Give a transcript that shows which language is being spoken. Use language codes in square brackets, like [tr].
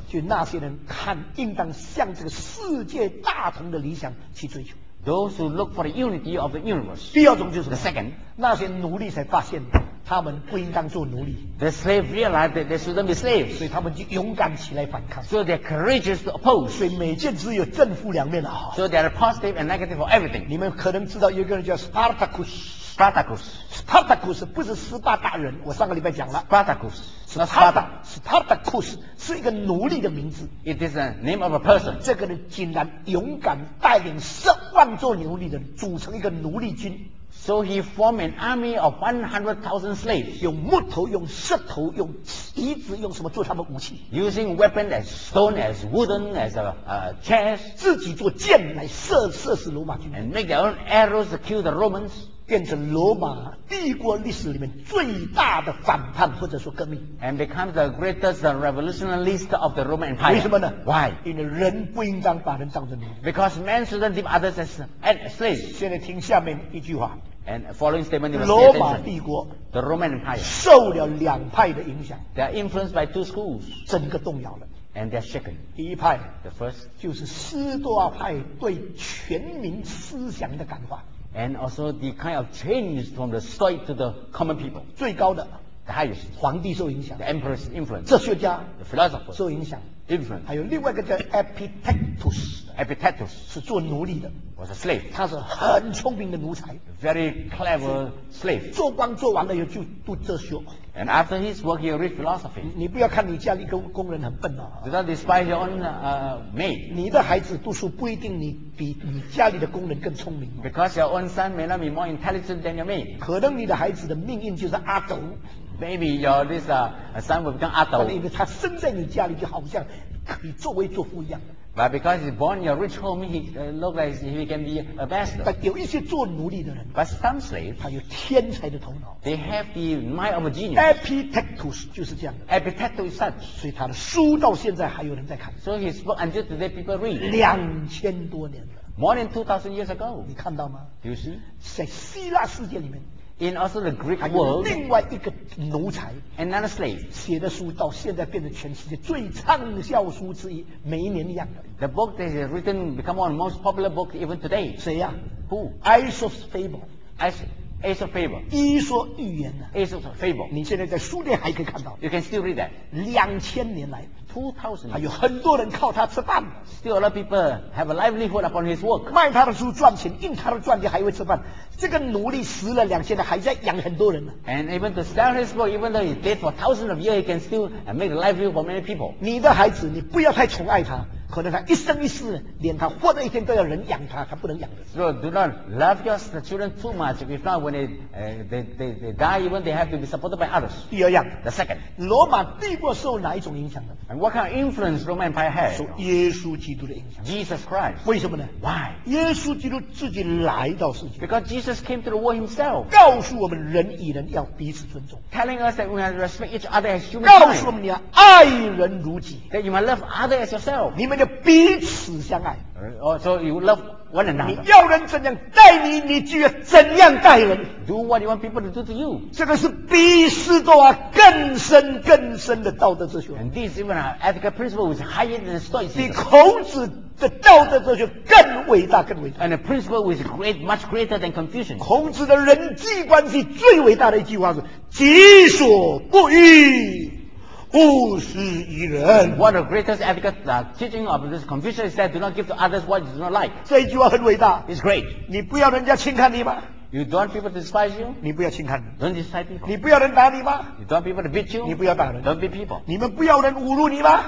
[zh] 就那些人看应当向这个世界大同的理想去追求。 [en] Those who look for the unity of the universe. [zh] 第二种就是 [en] the second. [zh] 那些奴隶才发现，他们不应当做奴隶。 [en] The slave realized that they shouldn't be slaves. [zh] 所以他们就勇敢起来反抗。 [en] So they're courageous to oppose. [zh] 所以每件事有正负两面啊。 [en] So they are positive and negative for everything. [zh] 你们可能知道有一个人叫 Spartacus。 [en] Spartacus. [zh] Spartacus 不是斯巴达人，我上个礼拜讲了。 [en] Spartacus. [zh] Spartacus 是一个奴隶的名字。 [en] It is a name of a person. [zh] 这个人竟然勇敢带领十万座奴隶的人组成一个奴隶军。 [en] So he formed an army of 100,000 slaves. [zh] 用木头，用石头，用椅子，用什么做他们武器 [en] ？Using weapons as stone, as wooden, as a chairs. [zh] 自己做箭来射死罗马军。 [en] And make their own arrows to kill the Romans. [zh] 变成罗马帝国历史里面最大的反叛或者说革命。 [en] And become the greatest revolutionist of the Roman Empire. [zh] 为什么呢 [en] ？Why? [zh] 因为人不应当把人当成奴隶。 [en] Because men shouldn't keep others as slaves. [zh] 现在听下面一句话。 [en] And following statement, [zh] 罗马帝国 [en] ，the Roman Empire [zh] 受了两派的影响 [en] ，they are influenced by two schools， [zh] 整个动摇了 [en] ，and they are shaken。 [zh] 第一派 [en] ，the first [zh] 就是斯多亚派对全民思想的感化 [en] ，and also the kind of change from the Stoic to the common people。 [zh] 最高的 [en] ，the highest [zh] 皇帝受影响 [en] ，the emperor's influence。 [zh] 哲学家 [en] ，the philosopher [zh] 受影响 [en] ，influence。 [zh] 还有另外一个叫 Epictetus。 [en] Epictetus [zh] 是做奴隶的 [en] ，was a slave。 [zh] 他是很聪明的奴才 [en] ，very clever slave。 [zh] 做官做完了以后就读哲学 [en] ，and after his work he read philosophy。 [zh] 你不要看你家里工人很笨哦 [en] ，do not despise your own maid。 [zh] 你的孩子读书不一定你比你家里的工人更聪明 [en] ，because your own son may not be more intelligent than your maid。 [zh] 可能你的孩子的命运就是阿斗 [en] ，maybe your this son will become 阿斗。 [zh] 因为他生在你家里就好像可以作威作福一样。 [en] But because he's born in a rich home, he looks like he can be a bastard. [zh] But 有一些做奴隶的人 [en] ，but some slaves [zh] 他有天才的头脑 [en] ，they have the mind of a genius. [zh] Epictetus 就是这样的 [en] ，Epictetus is such. [zh] 所以他的书到现在还有人在看 [en] ，so his book until today people read. [zh] 2000多年 [en] more than 2000 years ago. [zh] 你看到吗 [en] ？Do you see? [zh] 在希腊世界里面。 [en] In also the Greek world, [zh] 另外一个奴才 [en] ，another slave [zh] 写的书到现在变成全世界最畅销书之一，每一年一样的。 [en] The book that is written become one of the most popular book even today. [zh] 谁呀 [en] ？Who? Aesop's Fable. Aesop. Ace of Fable. [zh] 伊索寓言呢 [en] ？Ace of Fable. [zh] 你现在在书店还可以看到。 [en] You can still read that. [zh] 2000年来 [en] ，2000， [zh] 还有很多人靠他吃饭。 [en] Still a lot of people have a livelihood upon his work. [zh] 卖他的书赚钱，印他的传记还会吃饭。这个奴隶死了2000年，还在养很多人呢。 [en] And even to sell his book, even though he dead for thousands of years, he can still make a livelihood for many people. [zh] 你的孩子，你不要太宠爱他。可能他一生一世，连他活的一天都要人养他，他不能养的。 [en] So do not love your children too much. If not, when they die, even they have to be supported by others. [zh] 第二样 [en] ，the second， [zh] 罗马帝国受哪一种影响呢 [en] ？And what kind of influence Roman Empire had？ [zh] 受耶稣基督的影响。 [en] Jesus Christ。 [zh] 为什么呢 [en] ？Why？ [zh] 耶稣基督自己来到世界。 [en] Because Jesus came to the world himself。 [zh] 告诉我们，人与人要彼此尊重。 [en] Telling us that we have to respect each other as human。 [zh] 告诉我们，你要爱人如己。 [en] That you must love others as yourself。 [zh] 你们就彼此相爱。 [en] So you love one another. [zh] 你要人怎样待你，你就要怎样待人。 [en] Do what you want people to do to you. [zh] 这个是比斯多啊更深更深的道德哲学。 [en] And this even an ethical principle which is higher than Stoicism. [zh] 比孔子的道德哲学更伟大更伟大。 [en] And a principle which is great, much greater than Confucian. [zh] 孔子的人际关系最伟大的一句话是：己所不欲。勿施于人。 [en] One of the greatest ethical teaching of this Confucius is that do not give to others what you do not like. [zh] 这一句话很伟大。 [en] It's great. [zh] 你不要人家轻看你吗？ [en] You don't want people to despise you. [zh] 你不要轻看。 [en] Don't despise people. [zh] 你不要人打你吗？ [en] You don't want people to beat you. [zh] 你不要打人。 [en] Don't beat people. [zh] 你们不要人侮辱你吗？